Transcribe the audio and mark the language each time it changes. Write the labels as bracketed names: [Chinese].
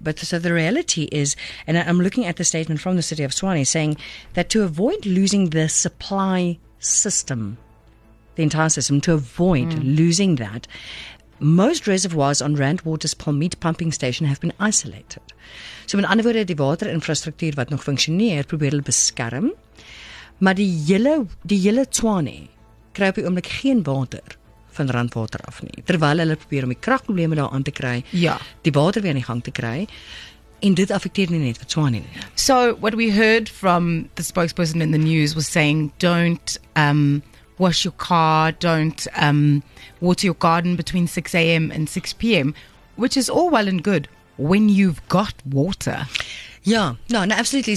[English] But so the reality is, and I'm looking at the statement from the city of Swanee saying that to avoid losing the supply system, the entire system, to avoid losing that, most reservoirs on Rand Water's Palmeet pumping station have been isolated. [Afrikaans] So in ander woorde, die waterinfrastruktuur wat nog funksioneer, probeer hulle beskerm. Maar die hele Swanee kry op die oomblik geen water van randwater af nie. Terwyl hulle probeer om die kragprobleme daar aan te kry, ja, die water weer in die gang te kry, en dit affekteer nie net vir Swanee nie. [English] So what we heard from the spokesperson in the news was saying, don't wash your car, don't water your garden between 6 a.m. and 6 p.m. which is all well and good when you've got water. Yeah, no, absolutely.